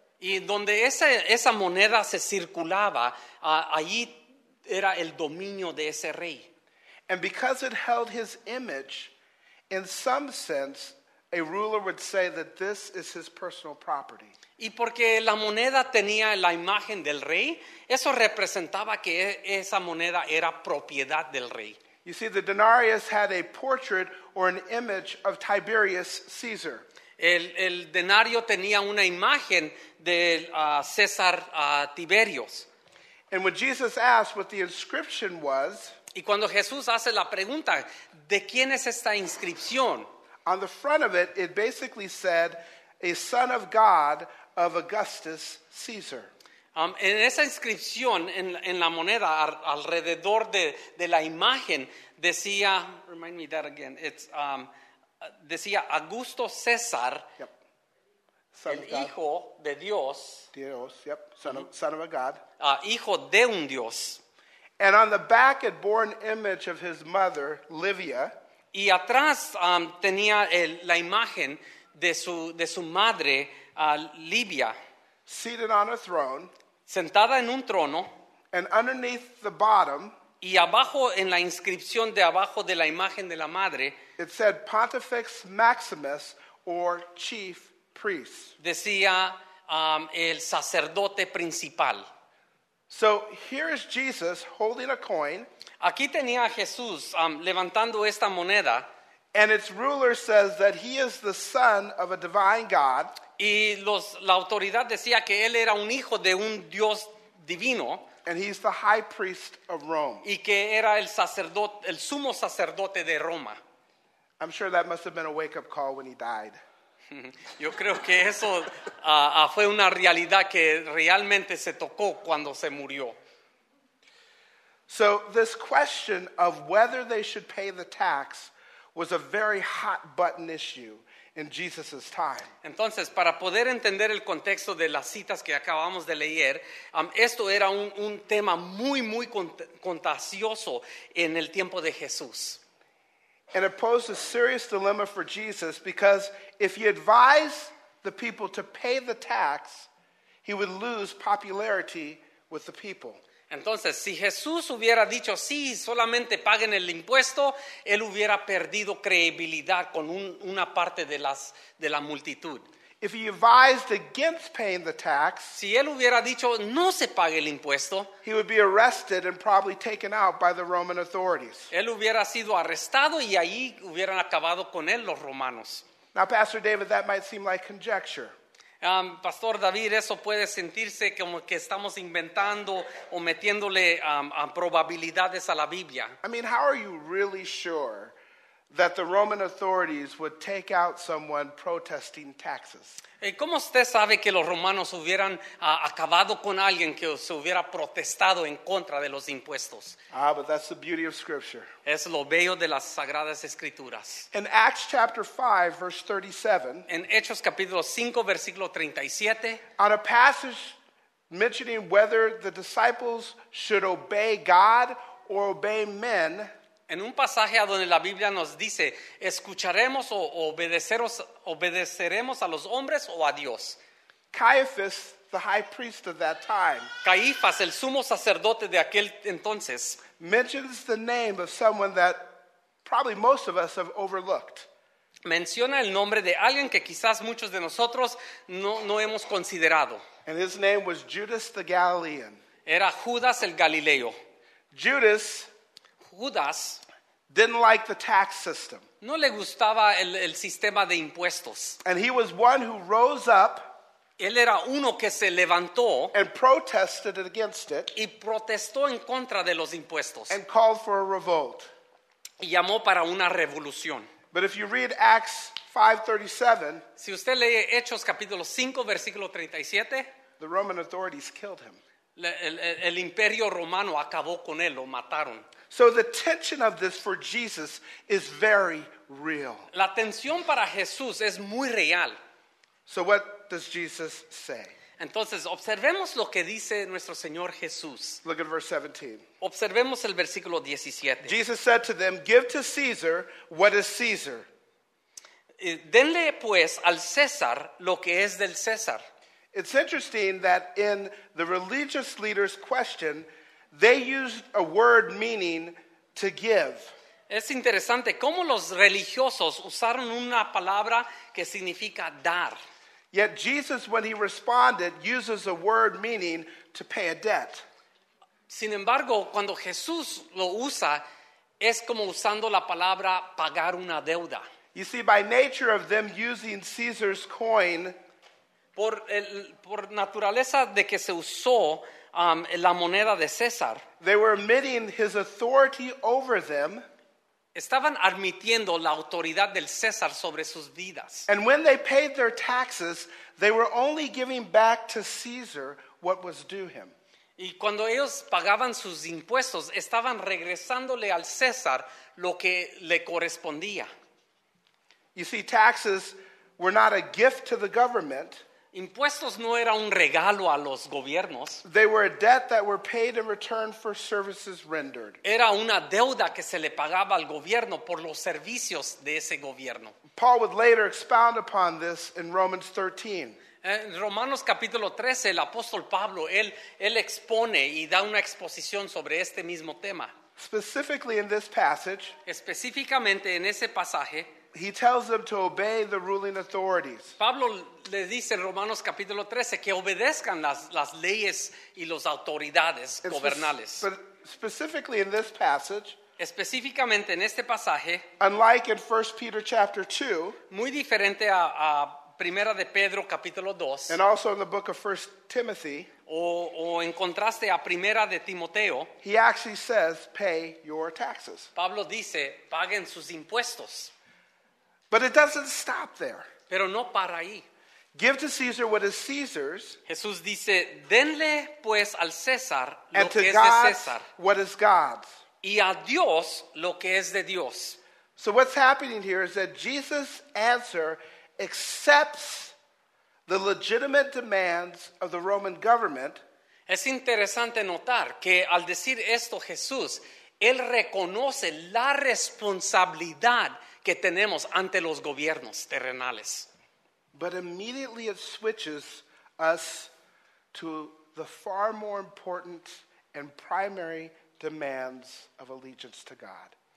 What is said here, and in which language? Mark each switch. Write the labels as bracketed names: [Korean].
[Spanish] Y donde esa moneda se circulaba, allí era el dominio de ese rey. [English] And because it held his image, in some sense, a ruler would say that this is his personal property. [Spanish] Y porque la moneda tenía la imagen del rey, eso representaba que esa moneda era propiedad del rey. [English] You see, the denarius had a portrait or an image of Tiberius Caesar. [Spanish] El denario tenía una imagen de César Tiberius. [English] And when Jesus asked what the inscription was, [Spanish] y cuando Jesús hace la pregunta, ¿de quién es esta inscripción? [English] On the front of it, it basically said, a son of God of Augustus Caesar. [Spanish] En esa inscripción, en la moneda, alrededor de la imagen, decía, [English] remind me that again, it's, [Spanish] decía Augusto César, [English] yep. [Spanish] El hijo de Dios. [English] Dios, yep, son of a God. [Spanish] Hijo de un Dios. [English] And on the back, it bore an image of his mother, Livia. [Spanish] Y atrás tenía la imagen de su madre, Livia. [English] Seated on a throne. [Spanish] Sentada en un trono. [English] And underneath the bottom. [Spanish] Y abajo en la inscripción de abajo de la imagen de la madre. [English] It said Pontifex Maximus or Chief Priest. [Spanish] Decía el sacerdote principal. [English] So here is Jesus holding a coin. [Spanish] Aquí tenía a Jesús levantando esta moneda. [English] And its ruler says that he is the son of a divine God. [Spanish] Y la autoridad decía que él era un hijo de un Dios divino. [English] And he's the high priest of Rome. [Spanish] Y que era el sumo sacerdote de Roma. [English] I'm sure that must have been a wake-up call when he died. [Spanish] Yo creo que eso fue una realidad que realmente se tocó cuando se murió. [English] So this question of whether they should pay the tax was a very hot button issue in Jesus' time. [Spanish] Entonces, para poder entender el contexto de las citas que acabamos de leer, esto era un tema muy, muy contencioso en el tiempo de Jesús. [English] And it posed a serious dilemma for Jesus because if he advised the people to pay the tax, he would lose popularity with the people. [Spanish] Entonces, si Jesús hubiera dicho sí, solamente paguen el impuesto, él hubiera perdido credibilidad con una parte de la multitud. [English] If he advised against paying the tax, [Spanish] si él hubiera dicho no se pague el impuesto, [English] he would be arrested and probably taken out by the Roman authorities. [Spanish] Él hubiera sido arrestado y ahí hubieran acabado con él los romanos. [English] Now, Pastor David, that might seem like conjecture. [Spanish] Pastor David, eso puede sentirse como que estamos inventando o metiéndole a probabilidades a la Biblia. [English] I mean, how are you really sure that the Roman authorities would take out someone protesting taxes? [Spanish] ¿Cómo usted sabe que los romanos hubieran acabado con alguien que se hubiera protestado en contra de los impuestos? [English] Ah, but that's the beauty of Scripture. [Spanish] Es lo bello de las Sagradas Escrituras. [English] In Acts chapter 5, verse 37, [Spanish] en Hechos capítulo 5, versículo 37, [English] on a passage mentioning whether the disciples should obey God or obey men, [Spanish] en un pasaje a donde la Biblia nos dice, escucharemos o obedeceremos a los hombres o a Dios. [English] Caiaphas, the high priest of that time, [Spanish] Caifás, el sumo sacerdote de aquel entonces, [English] mentions the name of someone that probably most of us have overlooked. [Spanish] Menciona el nombre de alguien que quizás muchos de nosotros no hemos considerado. [English] And his name was Judas the Galilean. [Spanish] Era Judas el Galileo. [English] Judas didn't like the tax system. [Spanish] No le gustaba el sistema de impuestos. [English] And he was one who rose up. [Spanish] Él era uno que se levantó. [English] And protested against it. [Spanish] Y protestó en contra de los impuestos. [English] And called for a revolt. [Spanish] Y llamó para una revolución. [English] But if you read Acts 5:37, [Spanish] si usted lee Hechos capítulo 5 versículo 37, [English] the Roman authorities killed him. [Spanish] El imperio romano acabó con él, lo mataron. [English] So the tension of this for Jesus is very real. [Spanish] La tensión para Jesús es muy real. [English] So what does Jesus say? [Spanish] Entonces, observemos lo que dice nuestro Señor Jesús. [English] Look at verse 17. [Spanish] Observemos el versículo 17. [English] Jesus said to them, "Give to Caesar what is Caesar." [Spanish] Denle pues al César lo que es del César. [English] It's interesting that in the religious leader's question, they used a word meaning to give. [Spanish] Es interesante cómo los religiosos usaron una palabra que significa dar. [English] Yet Jesus, when he responded, uses a word meaning to pay a debt. [Spanish] Sin embargo, cuando Jesús lo usa, es como usando la palabra pagar una deuda. [English] You see, by nature of them using Caesar's coin, [Spanish] por naturaleza de que se usó la moneda de César, [English] they were admitting his authority over them. [Spanish] Estaban admitiendo la autoridad del César sobre sus vidas. [English] And when they paid their taxes, they were only giving back to Caesar what was due him. [Spanish] Y cuando ellos pagaban sus impuestos, estaban regresándole al César lo que le correspondía. [English] You see, taxes were not a gift to the government. [Spanish] Impuestos no era un regalo a los gobiernos. [English] They were a debt that were paid in return for services rendered. [Spanish] Era una deuda que se le pagaba al gobierno por los servicios de ese gobierno. [English] Paul would later expound upon this in Romans 13. [Spanish] En Romanos capítulo 13, el apóstol Pablo, él expone y da una exposición sobre este mismo tema. [English] Specifically in this passage, [Spanish] específicamente en ese pasaje, [English] he tells them to obey the ruling authorities. [Spanish] Pablo le dice en Romanos capítulo 13 que obedezcan las leyes y las autoridades gubernales. [English] But specifically in this passage, [Spanish] Específicamente en este pasaje, [English] unlike in 1 Peter chapter 2, [Spanish] muy diferente a Primera de Pedro capítulo 2, [English] and also in the book of 1 Timothy, [Spanish] o en contraste a Primera de Timoteo, [English] he actually says, pay your taxes. [Spanish] Pablo dice, paguen sus impuestos. [English] But it doesn't stop there. [Spanish] Pero no para ahí. [English] Give to Caesar what is Caesar's. [Spanish] Jesús dice, denle pues al César [English] and [Spanish] lo [English] to [Spanish] que [English] God [Spanish] es de César. [English] What is God's. [Spanish] Y a Dios lo que es de Dios. [English] So what's happening here is that Jesus' answer accepts the legitimate demands of the Roman government. [Spanish] Es interesante notar que al decir esto Jesús, él reconoce la responsabilidad que tenemos ante los gobiernos terrenales. [English] But immediately it switches us to the far more important and primary demands of allegiance to God.